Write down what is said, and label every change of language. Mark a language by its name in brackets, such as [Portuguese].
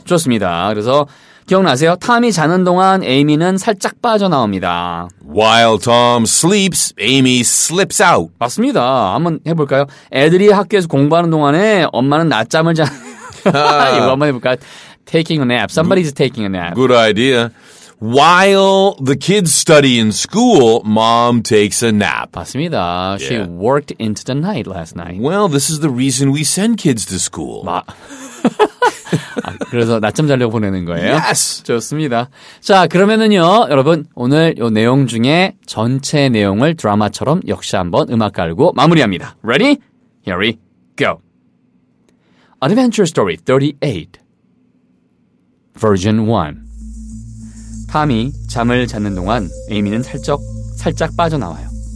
[Korean] 좋습니다. 그래서 기억나세요? 탐이 자는 동안 에이미는 살짝 빠져나옵니다. [English] While Tom sleeps, Amy slips out. [Korean] 맞습니다. 한번 해볼까요? 애들이 학교에서 공부하는 동안에 엄마는 낮잠을 자. 이거 한번 해볼까요? [English] Taking a nap. Somebody's taking a nap. Good idea. While the kids study in school, mom takes a nap. [Korean] 맞습니다. [English] Yeah. She worked into the night last night. Well, this is the reason we send kids to school. 마... [Korean] 아, 그래서 낮잠 자려고 보내는 거예요? [English] Yes! [Korean] 좋습니다. 자, 그러면은요, 여러분, 오늘 요 내용 중에 전체 내용을 드라마처럼 역시 한번 음악 깔고 마무리합니다. [English] Ready? Here we go! Adventure Story 38 Version 1 [Korean] 탐이 잠을 자는 동안 에이미는 살짝 빠져나와요.